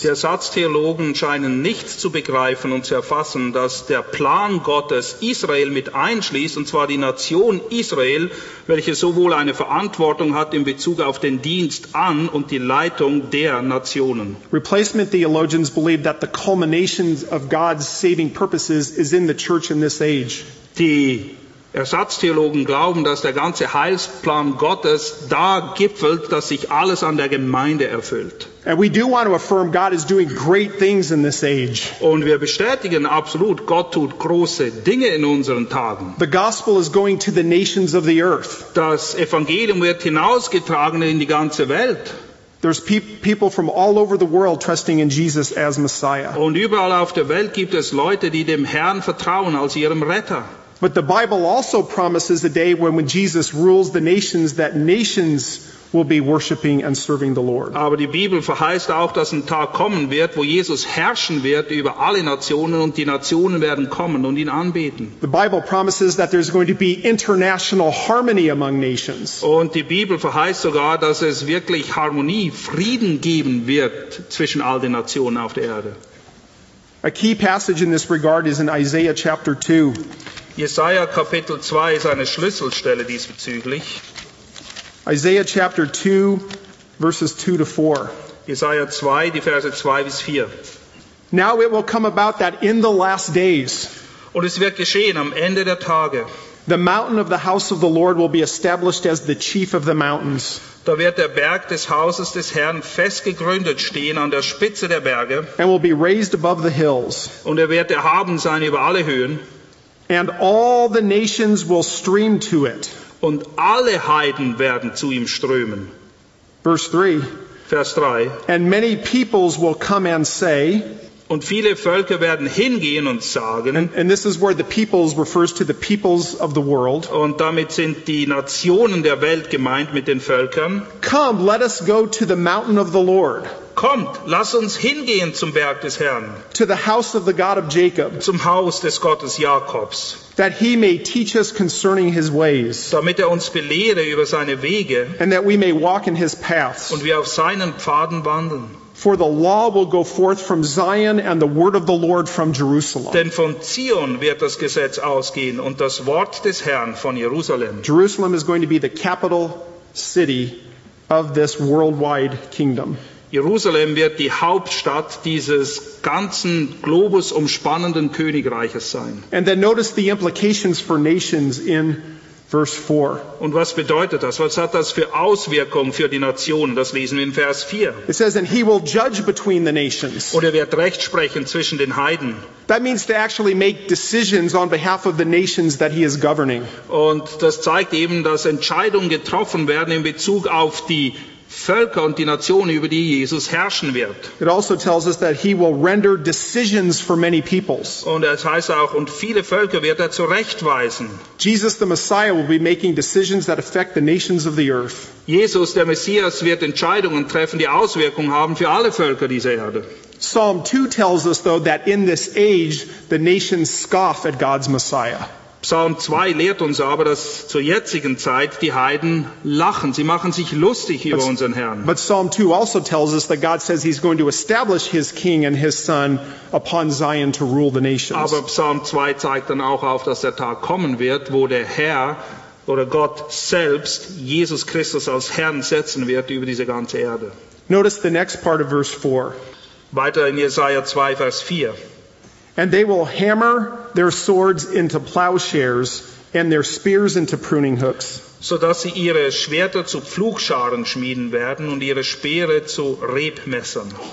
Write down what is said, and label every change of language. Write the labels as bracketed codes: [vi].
[de] Die Ersatztheologen scheinen nicht zu begreifen und zu erfassen, dass der Plan Gottes Israel mit einschließt, und zwar die Nation Israel, welche sowohl eine Verantwortung hat in Bezug auf den Dienst an und die Leitung der Nationen. [en] Replacement theologians believe that the culmination of God's saving purposes is in the church in this age. [de] Die Ersatztheologen glauben, dass der ganze Heilsplan Gottes da gipfelt, dass sich alles an der Gemeinde erfüllt. [en] And we do want to affirm God is doing great things in this age. [de] Und wir bestätigen absolut, Gott tut große Dinge in unseren Tagen. [en] The gospel is going to the nations of the earth. [de] Das Evangelium wird hinausgetragen in die ganze Welt. [en] There's people from all over the world trusting in Jesus as Messiah. [de] Und überall auf der Welt gibt es Leute, die dem Herrn vertrauen als ihrem Retter. [en] But the Bible also promises a day when Jesus rules the nations that nations will be worshiping and serving the Lord. [de] Aber die Bibel verheißt auch, dass ein Tag kommen wird, wo Jesus herrschen wird über alle Nationen und die Nationen werden kommen und ihn anbeten. [en] The Bible promises that there's going to be international harmony among nations. [de] Und die Bibel verheißt sogar, dass es wirklich Harmonie, Frieden geben wird zwischen all den Nationen auf der Erde. [en] A key passage in this regard is in Isaiah chapter 2. [de] Jesaja Kapitel 2 ist eine Schlüsselstelle diesbezüglich. [en] Isaiah chapter 2 verses 2 to 4. [de] Jesaja 2, die Verse 2 bis 4. [en] Now it will come about that in the last days, [de] und es wird geschehen am Ende der Tage, [en] the mountain of the house of the Lord will be established as the chief of the mountains. [de] Da wird der Berg des Hauses des Herrn fest gegründet stehen an der Spitze der Berge, [en] and will be raised above the hills, [de] und wird erhaben sein über alle Höhen, [en] and all the nations will stream to it, [de] und alle Heiden werden zu ihm strömen. [en] Verse 3. [de] Vers 3. [en] And many peoples will come and say, [de] und viele Völker werden hingehen und sagen, [en] and this is where the peoples refers to the peoples of the world, [de] und damit sind die Nationen der Welt gemeint mit den Völkern, [en] come, let us go to the mountain of the Lord, [de] kommt, lass uns hingehen zum Berg des Herrn, [en] to the house of the God of Jacob, [de] zum Haus des Gottes Jakobs, [en] that he may teach us concerning his ways, [de] damit uns belehre über seine Wege, [en] and that we may walk in his paths, [de] und wir auf seinen Pfaden wandeln. [en] For the law will go forth from Zion, and the word of the Lord from Jerusalem. [de] Denn von Zion wird das Gesetz ausgehen und das Wort des Herrn von Jerusalem. [en] Jerusalem is going to be the capital city of this worldwide kingdom. [de] Jerusalem wird die Hauptstadt dieses ganzen Globus umspannenden Königreiches sein. [en] And then notice the implications for nations in verse 4. [de] Und was bedeutet das? Was hat das für Auswirkungen für die Nationen? Das lesen wir in Vers 4. [en] It says, and he will judge between the nations. [de] Und wird Recht sprechen zwischen den Heiden. [en] That means to actually make decisions on behalf of the nations that he is governing. [de] Und das zeigt eben, dass Entscheidungen getroffen werden in Bezug auf die Völker und die Nationen, über die Jesus herrschen wird. [en] It also tells us that he will render decisions for many peoples. [de] Und es heißt auch, und viele Völker wird zurechtweisen. [en] Jesus the Messiah will be making decisions that affect the nations of the earth. [de] Jesus der Messias wird Entscheidungen treffen, die Auswirkungen haben für alle Völker dieser Erde. [en] Psalm 2 tells us though that in this age the nations scoff at God's Messiah. [de] Psalm 2 lehrt uns aber, dass zur jetzigen Zeit die Heiden lachen. Sie machen sich lustig über unseren Herrn. [en] But Psalm 2 also tells us that God says he's going to establish his king and his son upon Zion to rule the nations. [de] Aber Psalm 2 zeigt dann auch auf, dass der Tag kommen wird, wo der Herr oder Gott selbst Jesus Christus als Herrn setzen wird über diese ganze Erde. [en] Notice the next part of verse 4. [de] Weiter in Jesaja 2, Vers 4. [en] And they will hammer their swords into plowshares and their spears into pruning hooks. [de] So dass sie ihre Schwerter zu Pflugscharen schmieden werden und ihre Speere zu Rebmessern.